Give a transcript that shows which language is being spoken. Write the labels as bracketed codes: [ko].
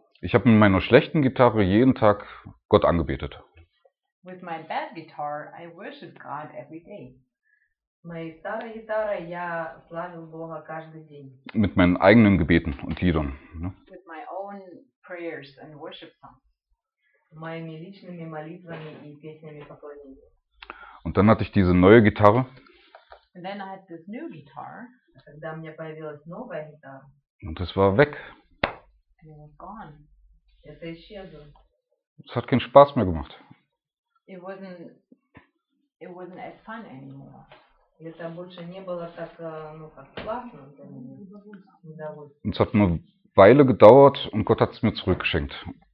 [de] Ich habe mit meiner schlechten Gitarre jeden Tag Gott angebetet. [en] With my bad guitar, I worship God every day. [ru] Моей старой гитарой я славил Бога каждый день. [de] Mit meinen eigenen Gebeten und Liedern. [en] With my own prayers and worship songs. [ru] Моими личными молитвами и песнями поклонения. [de] Und dann hatte ich diese neue Gitarre. [en] And then I had this new guitar. [ru] Когда у меня появилась новая гитара. [de] Und das war weg. [en] And it was gone. [ru] Это исчезло. [de] Es hat keinen Spaß mehr gemacht. [en] It wasn't as fun anymore. [ru] Это больше не было так, ну, как классно. [de] Und es hat eine Weile gedauert und Gott hat es mir zurückgeschenkt.